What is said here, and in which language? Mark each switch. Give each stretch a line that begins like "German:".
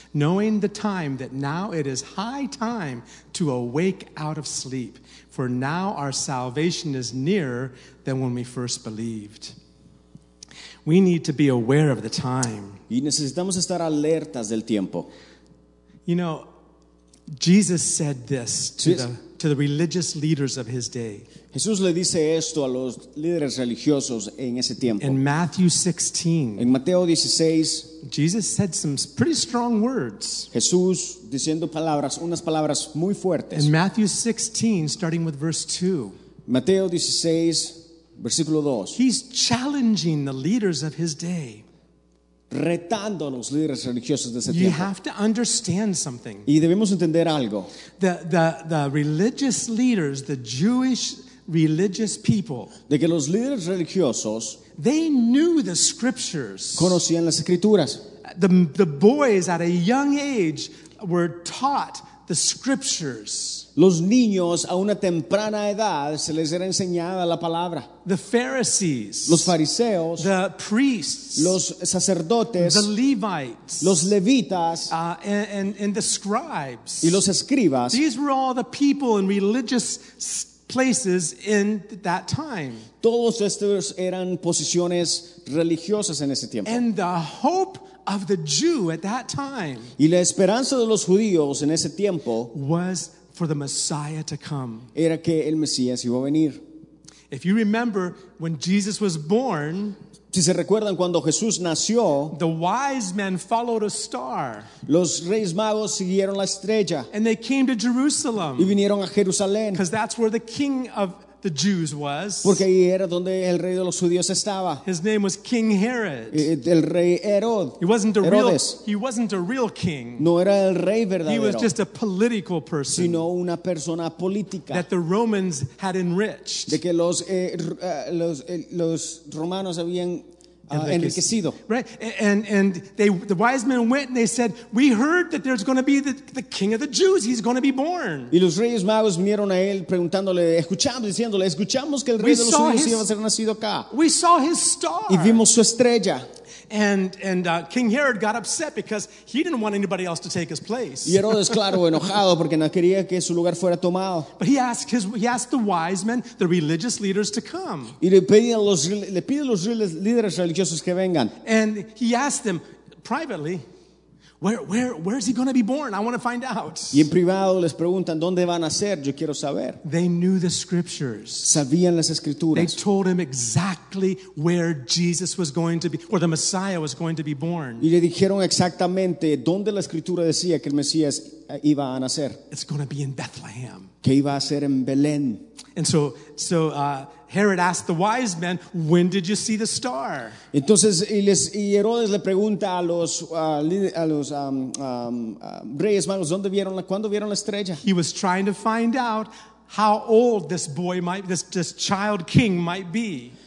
English: Knowing the time that now it is high time to awake out of sleep, for now our salvation is nearer than when we first believed. We need to be aware of the time.
Spanish: Y necesitamos estar alertas del tiempo.
English: You know, Jesus said this to the religious leaders of his day.
Spanish: Jesús le dice esto a los líderes religiosos en ese tiempo.
English: In Matthew 16.
Spanish: En Mateo 16.
English: Jesus said some pretty strong words.
Spanish: Jesús diciendo palabras, unas palabras muy fuertes.
English: In Matthew 16, starting with verse 2.
Spanish: Mateo 16, versículo 2.
English: He's challenging the leaders of his day.
Spanish: Retando a los líderes religiosos de ese tiempo.
English: You have to understand something.
Spanish: Y debemos entender algo.
English: The religious leaders, the Jewish religious people,
Spanish: de que los líderes religiosos,
English: they knew the scriptures.
Spanish: Conocían las escrituras.
English: The boys at a young age were taught the scriptures.
Spanish: Los niños a una temprana edad se les era enseñada la palabra.
English: The Pharisees,
Spanish: los fariseos,
English: the priests,
Spanish: los sacerdotes,
English: the Levites,
Spanish: los levitas,
English: and the scribes,
Spanish: y los escribas.
English: These were all the people in religious places in that time.
Spanish: Todos estos eran posiciones religiosas en ese tiempo.
English: And the hope of the Jew at that time,
Spanish: y la esperanza de los judíos en ese tiempo,
English: was for the Messiah to come.
Spanish: Era que el Mesías iba a venir.
English: If you remember when Jesus was born,
Spanish: si se recuerdan cuando Jesús nació,
English: the wise men followed a star.
Spanish: Los reyes magos siguieron la estrella.
English: And they came to Jerusalem.
Spanish: Y vinieron a Jerusalén.
English: Because that's where the king of the Jews was.
Spanish: Porque ahí era donde el rey de los judíos estaba.
English: His name was King Herod.
Spanish: El rey Herod.
English: He wasn't a real king.
Spanish: No era el rey verdadero.
English: He was just a political person.
Spanish: Sino una persona política.
English: That the Romans had enriched.
Spanish: De que los romanos habían enriquecido.
English: Right, and they, the wise men went and they said, "We heard that there's going to be the king of the Jews. He's going to be born."
Spanish: Y los reyes magos vinieron a él preguntándole, escuchamos, diciéndole, escuchamos que el rey de los judíos iba a ser nacido acá.
English: We saw his star.
Spanish: Y vimos su estrella.
English: And King Herod got upset because he didn't want anybody else to take his place.
Spanish: Y Herodes, claro, enojado porque no quería que su lugar fuera tomado.
English: But he asked the wise men, the religious leaders, to come.
Spanish: Y le pide a los líderes religiosos que vengan.
English: And he asked them privately, where is he going to be born? I want to find out.
Spanish: Y en privado les preguntan, ¿dónde van a ser? Yo quiero saber.
English: They knew the scriptures.
Spanish: Sabían las escrituras.
English: They told him exactly where Jesus was going to be, where the Messiah was going to be born.
Spanish: Y le dijeron exactamente dónde la escritura decía que el Mesías iba a nacer.
English: It's going to be in Bethlehem.
Spanish: Que iba a ser en Belén.
English: And so Herod asked the wise men, "When did you see the star?"
Spanish: Entonces, y Herodes le pregunta a los reyes magos, ¿dónde vieron la, cuándo vieron la estrella?
English: He was trying to find out how old this child king might be.